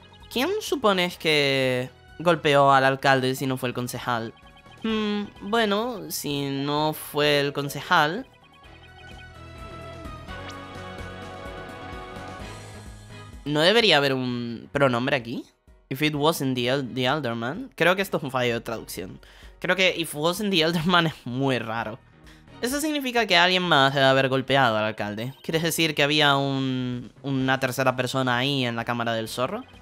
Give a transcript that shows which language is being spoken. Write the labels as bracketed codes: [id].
[es] ¿Quién supones que golpeó al alcalde si no fue el concejal? Bueno, si no fue el concejal... ¿No debería haber un pronombre aquí? [en] If it wasn't the elder man. [es] Creo que esto es un fallo de traducción. Creo que [en] if wasn't the elder man [es] es muy raro. Eso significa que alguien más debe haber golpeado al alcalde. ¿Quieres decir que había una tercera persona ahí en la cámara del zorro?